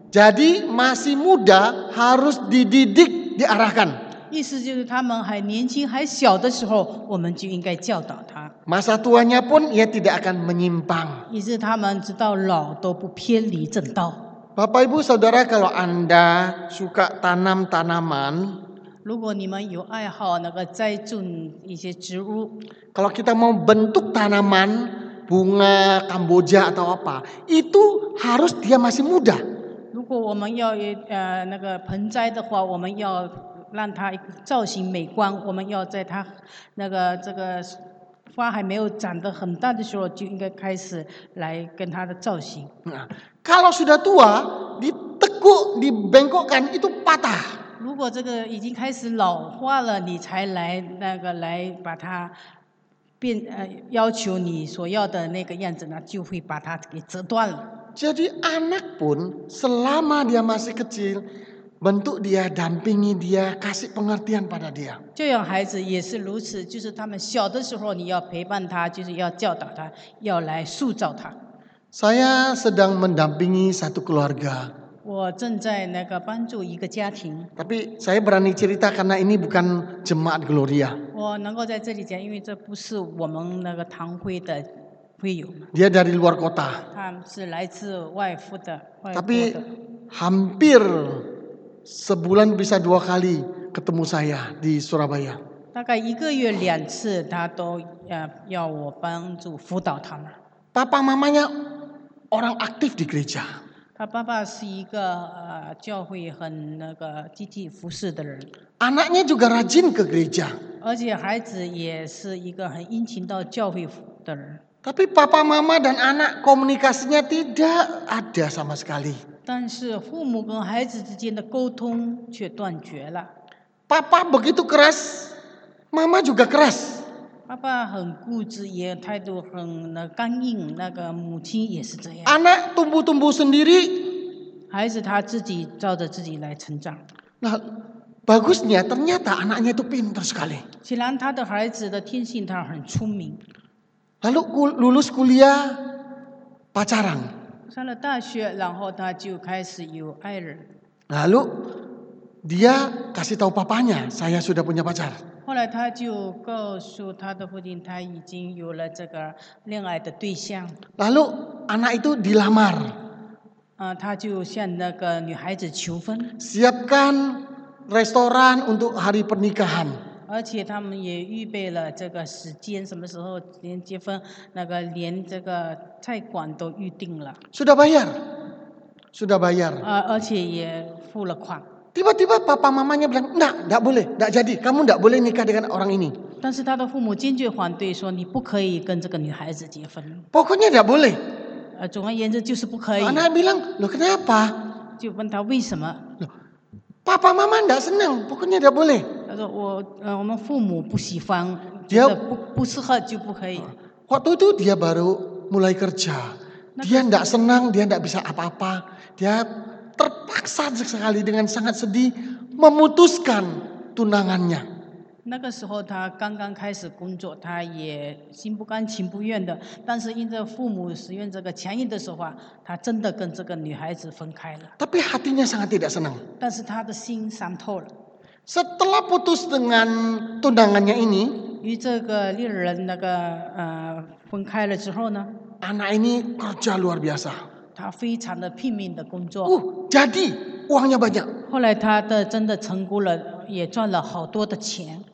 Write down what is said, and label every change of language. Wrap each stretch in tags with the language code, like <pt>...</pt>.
<id>Jadi masih muda harus dididik, diarahkan.</id> <zh>意思就是他们还年轻还小的时候我们就应该教导他。</zh> <id>Masa tuanya pun ia tidak akan menyimpang.</id> <zh>意思他们直到老都不偏离正道。</zh> <id>Bapak ibu saudara kalau anda suka tanam tanaman.</id> <zh>如果你们有爱好那个栽种一些植物。</zh> <id>Kalau kita mau bentuk tanaman bunga kamboja atau apa, itu harus dia masih muda.</id> <zh>如果我们要那个盆栽的话，我们要让它造型美观，我们要在它那个这个花还没有长得很大的时候，就应该开始来跟它的造型。</zh> <id>Kalau sudah tua, ditekuk, dibengkokkan itu patah.</id> <zh>如果这个已经开始老化了，你才来那个来把它变要求你所要的那个样子呢，就会把它给折断了。</zh> <id>Jadi anak pun selama dia masih kecil. Bentuk dia, dampingi dia, kasih pengertian pada dia.</id> <zh>教养孩子也是如此，就是他们小的时候，你要陪伴他，就是要教导他，要来塑造他。</zh> <id>Saya sedang mendampingi satu keluarga.</id> <zh>我正在那个帮助一个家庭。</zh> <id>Tapi saya berani cerita karena ini bukan jemaat Gloria.</id> <zh>我能够在这里讲，因为这不是我们那个堂会的会友。</zh> <id>Dia dari luar kota.</id> <zh>他是来自外父的。</zh> <id>Tapi hampir sebulan bisa dua kali ketemu saya di Surabaya.</id> <zh>大概一个月两次，他都要我帮助辅导他们。</zh> <id>Papa mamanya orang aktif di gereja.</id> <zh>他爸爸是一个教会很那个积极服事的人。</zh> <id>Anaknya juga rajin ke gereja.</id> <zh>而且孩子也是一个很殷勤到教会的人。</zh> <id>Tapi papa mama dan anak komunikasinya tidak ada sama sekali.</id> <zh>但是父母跟孩子之间的沟通却断绝了。</zh> <id>Papa begitu keras, mama juga keras.</id> <zh>Papa 很固执，也态度很那刚硬，那个母亲也是这样。</zh> <id>Anak tumbuh-tumbuh sendiri.</id> <zh>孩子他自己照着自己来成长。</zh> <id>Nah, bagusnya ternyata anaknya itu pintar sekali.</id> <zh>既然他的孩子的天性他很聪明。</zh> <id>Lalu lulus kuliah pacaran.</id> <zh>上了大学，然后他就开始有爱人。</zh> <id>Lalu dia kasih tahu papanya, saya sudah punya pacar.</id> <zh>后来他就告诉他的父亲，他已经有了这个恋爱的对象。</zh> <id>Lalu anak itu dilamar.</id> <zh>他就向那个女孩子求婚。</zh> <id>Siapkan restoran untuk hari pernikahan.</id> <zh>而且他们也预备了这个时间，什么时候连结婚，那个连这个菜馆都预定了。</zh> <id>Sudah bayar, sudah bayar.</id> <zh>而且也付了款。</zh> <id>Tiba-tiba papa mamanya bilang, "Nak, tak boleh, tak jadi. Kamu tak boleh nikah dengan orang ini."</id> <zh>但是他的父母坚决反对，说你不可以跟这个女孩子结婚。</zh> <id>Pokoknya tak boleh.</id> <zh>总而言之就是不可以。</zh> <id>Anak bilang, "Lo kenapa?"</id> <zh>就问他为什么。</zh> <id>Papa mama tak senang, pokoknya tak boleh.</id> <zh>我们父母不喜欢，觉得不适合就不可以。</zh> <id>Waktu itu dia baru mulai kerja, dia tidak senang, dia tidak bisa apa-apa, dia terpaksa sekali dengan sangat sedih memutuskan tunangannya.</id> <zh>那个时候他刚刚开始工作，他也心不甘情不愿的，但是因着父母使用这个强硬的说法，他真的跟这个女孩子分开了。</zh> <id>Tapi hatinya sangat tidak senang.</id> <zh>但是他的心伤透了。</zh> <id>Setelah putus dengan tunangannya ini,</id> <zh>与这个恋人那个分开了之后呢</zh> <id>，anak ini kerja luar biasa.</id> <zh>他非常的拼命的工作。</zh> <id>Jadi uangnya banyak.</id> <zh>后来他的真的成功了，也赚了好多的钱。</zh>